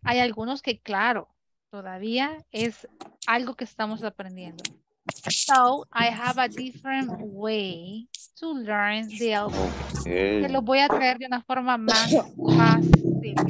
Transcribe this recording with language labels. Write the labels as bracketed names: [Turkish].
[Spanish] Hay algunos que, claro, todavía es algo que estamos aprendiendo. [English] So, I have a different way to learn the alphabet. [Spanish] Okay. Se lo voy a traer de una forma más fácil.